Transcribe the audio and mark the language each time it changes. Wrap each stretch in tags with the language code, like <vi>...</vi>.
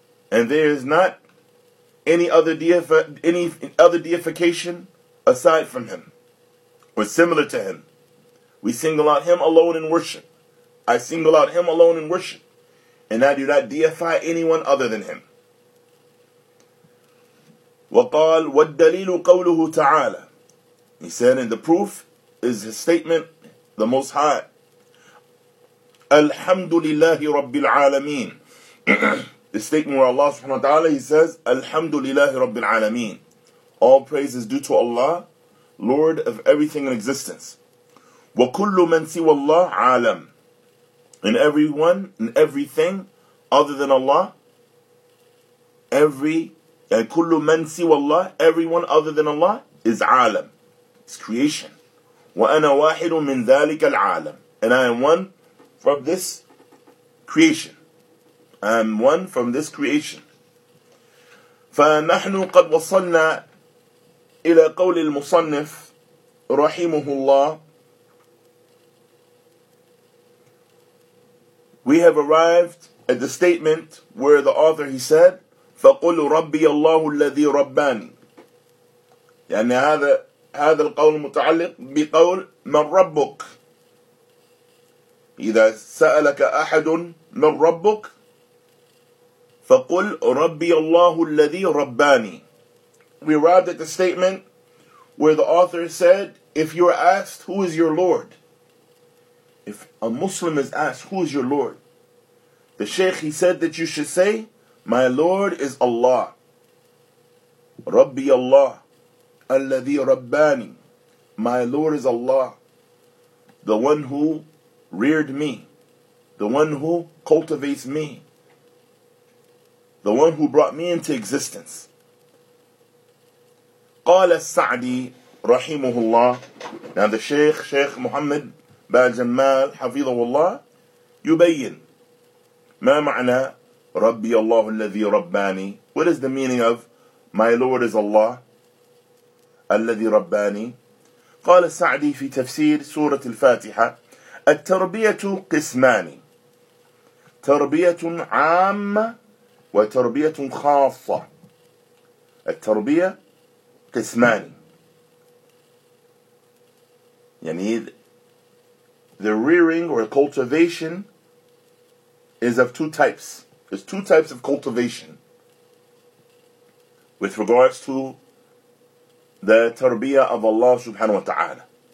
<en>And there is not any other deification aside from him, or similar to him. We single out him alone in worship. I single out him alone in worship, and I do not deify anyone other than him.</en> <ar>وقال والدليل قوله تعالى.</ar> <en>He said, and the proof is his statement, the Most High.</en> <ar>الحمد لله رب العالمين.</ar> <en>The statement where Allah subhanahu wa ta'ala, he says,</en> <ar>الحمد لله رب العالمين.</ar> <en>All praise is due to Allah, Lord of everything in existence.</en> <ar>وكل من سوى الله عالم.</ar> <en>And everyone and everything other than Allah,</en> <ar>كل من سوى الله,</ar> <en>everyone other than Allah is عالم. It's creation.</en> <ar>وأنا واحد من ذلك العالم.</ar> <en>And I am one from this creation. I am one from this creation.</en> <ar>فنحن قد وصلنا إلى قول المصنف رحمه الله.</ar> <en>We have arrived at the statement where the author, he said,</en> <ar>فقل ربي الله الذي رباني. يعني هذا القول متعلق بقول من ربك. إذا سألك أحد من ربك فقل ربي الله الذي رباني.</ar> <en>We arrived at the statement where the author said, if you are asked, who is your Lord? If a Muslim is asked, who is your Lord? The Shaykh, he said that you should say, my Lord is Allah.</en> <ar>رَبِّي اللَّهُ الَّذِي رَبَّانِي.</ar> <en>My Lord is Allah, the one who reared me, the one who cultivates me, the one who brought me into existence.</en> <ar>قال السعدي رحمه الله.</ar> <en>Now the Shaykh</en> <ar>Muhammad بن جمال حفظه الله يبين ما معنى ربي الله الذي رباني.</ar> <en>What is the meaning of my Lord is Allah</en> <ar>الذي رباني. قال السعدي في تفسير سورة الفاتحة التربية قسمان, تربية عامة وتربية خاصة. التربية قسمان, يعني</ar> <en>the rearing or cultivation is of two types. There's two types of cultivation with regards to the tarbiyah of Allah subhanahu wa ta'ala.</en>